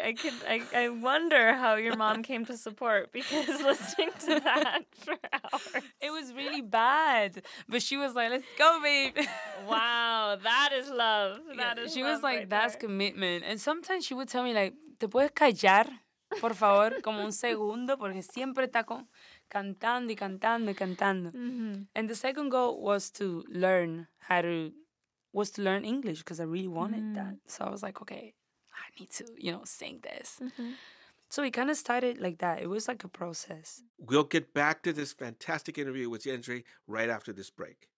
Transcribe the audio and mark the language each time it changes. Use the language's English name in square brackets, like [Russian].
[English] I wonder how your mom came to support, because listening to that for hours. It was really bad. But she was like, let's go, babe. Wow, that is love. That yeah, is she love was like, right that's there. Commitment. And sometimes she would tell me like, [Spanish] te puedes callar? Por favor, como un segundo, porque siempre está cantando y cantando y cantando. Mm-hmm. [English] And the second goal was to learn learn English, because I really wanted mm-hmm. that. So I was like, okay, I need to, you know, sing this. Mm-hmm. So it kind of started like that. It was like a process. We'll get back to this fantastic interview with YEIDRY right after this break.